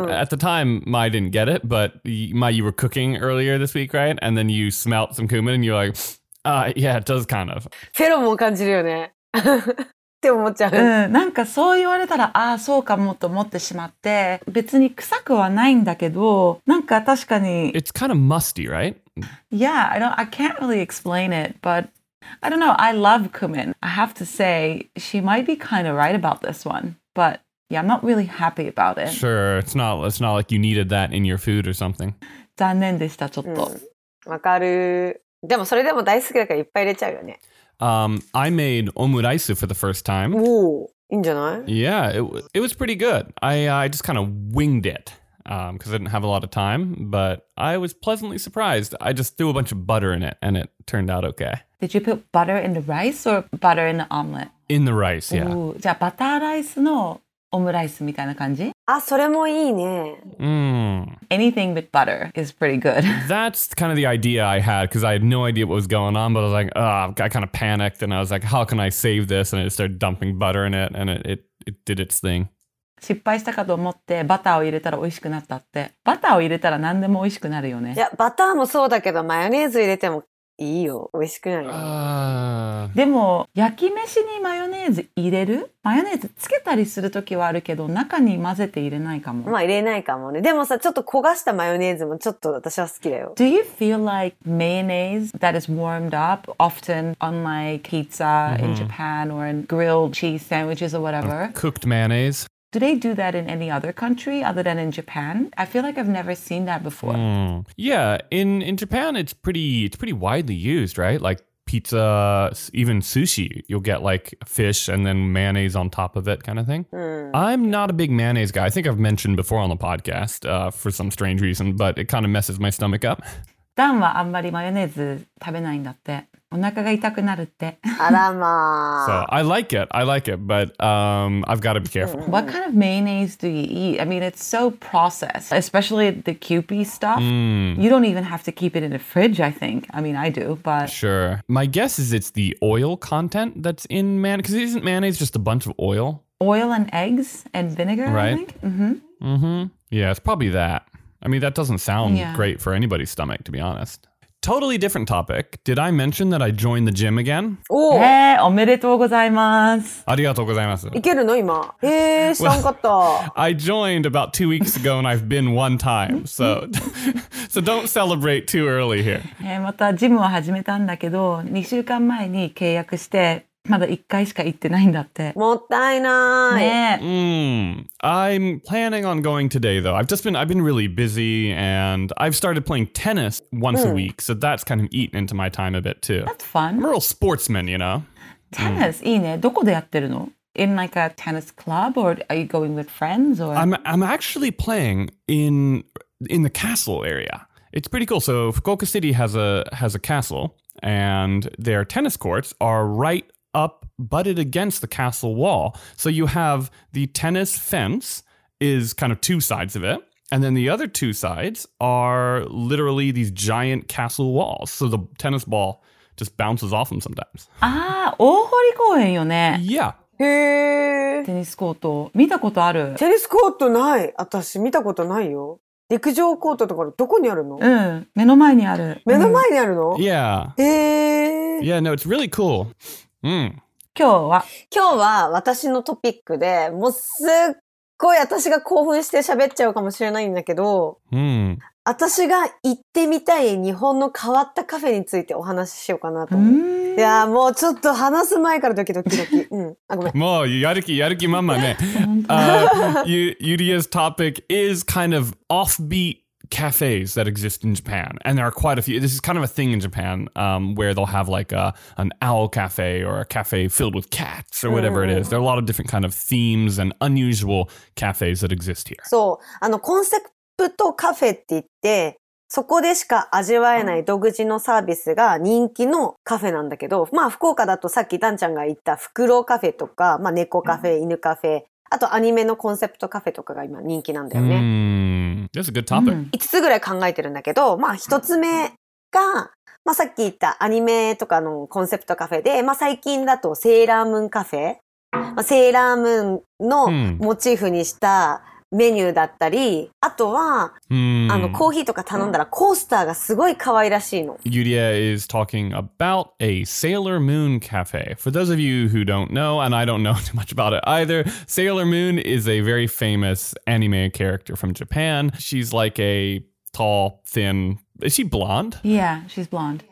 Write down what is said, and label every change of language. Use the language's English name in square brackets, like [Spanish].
[English] At the time, Mai didn't get it, but Mai, you were cooking earlier this week, right? And then you smelt some cumin and you're like, yeah, it does kind of. [Japanese] フェロモン感じるよね。って思っちゃう。うん、なんかそう言われたら、ああそうかもと思ってしまって、別に臭くはないんだけど、なんか確かに。 [English] It's kind of musty, right? Yeah, I can't really explain it, but I don't know. I love cumin. I have to say, she might be kind of right about this one, but yeah, I'm not really happy about it. Sure, it's not like you needed that in your food or something. [Japanese] 残念でしたちょっと。わかる。でもそれでも大好きだからいっぱい入れちゃうよね。 [English] I made omuraisu for the first time. [Japanese] Ooh, いいんじゃない? [English] Yeah, it was pretty good. I just kind of winged it, because I didn't have a lot of time, but I was pleasantly surprised. I just threw a bunch of butter in it, and it turned out okay. Did you put butter in the rice or butter in the omelet? In the rice, yeah. [Japanese] Ooh, じゃあバターライスのオムライスみたいな感じ? あ、それもいいね。 [English] Anything with butter is pretty good. That's kind of the idea I had, because I had no idea what was going on, but I was like, I kind of panicked, and I was like, how can I save this? And I started dumping butter in it, and it did its thing. [Japanese] 失敗したかと思って、バターを入れたら美味しくなったって。バターを入れたら何でも美味しくなるよね。いや、バターもそうだけど、マヨネーズ入れてもいいよ。美味しくなるよ。でも、焼き飯にマヨネーズ入れる?マヨネーズつけたりするときはあるけど、中に混ぜて入れないかも。まあ入れないかもね。でもさ、ちょっと焦がしたマヨネーズもちょっと私は好きだよ。 [English] Do you feel like mayonnaise that is warmed up often on like pizza in Japan or in grilled cheese sandwiches or whatever? Cooked mayonnaise? Do they do that in any other country other than in Japan? I feel like I've never seen that before. Yeah, in Japan, it's pretty widely used, right? Like pizza, even sushi, you'll get like fish and then mayonnaise on top of it kind of thing. I'm not a big mayonnaise guy. I think I've mentioned before on the podcast for some strange reason, but it kind of messes my stomach up. [Japanese] Dan はあんまりマヨネーズ食べないんだって。お腹が痛くなるって。あらまあ。 [English] So, I like it, but I've got to be careful. What kind of mayonnaise do you eat? I mean, it's so processed, especially the Kewpie stuff. You don't even have to keep it in the fridge, I think. I mean, I do, but... Sure. My guess is it's the oil content that's in mayonnaise. Because isn't mayonnaise just a bunch of oil? Oil and eggs and vinegar, right? I think. Yeah, it's probably that. I mean, that doesn't sound great for anybody's stomach, to be honest. Totally different topic. Did I mention that I joined the gym again? Oh! [Japanese] おめでとうございます。ありがとうございます。いけるの今。知らんかった。 [English] I joined about 2 weeks ago and I've been one time. So don't celebrate too early here. [Japanese] またジムを始めたんだけど、2週間前に契約して、まだ1回しか行ってないんだって。もったいない。ね。 [English] I'm planning on going today though. I've been really busy and I've started playing tennis once a week. So that's kind of eaten into my time a bit too. That's fun. I'm a real sportsman, you know. [Japanese] Tennis, いいね。どこでやってるの? [English] In like a tennis club or are you going with friends or? I'm actually playing in the castle area. It's pretty cool. So Fukuoka City has a castle and their tennis courts are right up butted against the castle wall. So you have the tennis fence is kind of two sides of it. And then the other two sides are literally these giant castle walls. So the tennis ball just bounces off them sometimes. [Japanese] Ah, 大堀公園よね? [English] Yeah. [Japanese] へー。テニスコート、見たことある? テニスコートない。私、見たことないよ。陸上コートとかどこにあるの? うん、目の前にある。目の前にあるの? [English] Yeah. [Japanese] へー。 [English] Yeah, no, it's really cool. [Japanese] 今日は今日は私のトピックで、もうすっごい私が興奮して喋っちゃうかもしれないんだけど、うん、私が行ってみたい日本の変わったカフェについてお話ししようかなと思う。うん、いやもうちょっと話す前からドキドキドキ。うん、あ、ごめん。もうやる気まんまね。 [English] Yuria's topic is kind of offbeat cafes that exist in Japan, and there are quite a few. This is kind of a thing in Japan, where they'll have like an owl cafe or a cafe filled with cats or whatever it is. There are a lot of different kind of themes and unusual cafes that exist here. [Japanese] So, コンセプトカフェって言って、そこでしか味わえない独自のサービスが人気のカフェなんだけど、まあ福岡だとさっきダンちゃんが言ったフクロウカフェとか、まあ猫カフェ、犬カフェ、あとアニメのコンセプトカフェとかが今人気なんだよね。 [English] That's a good topic. [Japanese] 5つぐらい考えてるんだけど、まあ一つ目が、まあさっき言ったアニメとかのコンセプトカフェで、まあ最近だとセーラームーンカフェ、まあ、セーラームーンのモチーフにしたメニューだったり、あとは、コーヒーとか頼んだらコースターがすごい可愛らしいの。 [English] Yuria is talking about a Sailor Moon cafe. For those of you who don't know, and I don't know too much about it either, Sailor Moon is a very famous anime character from Japan. She's like a tall, thin... Is she blonde? Yeah, she's blonde.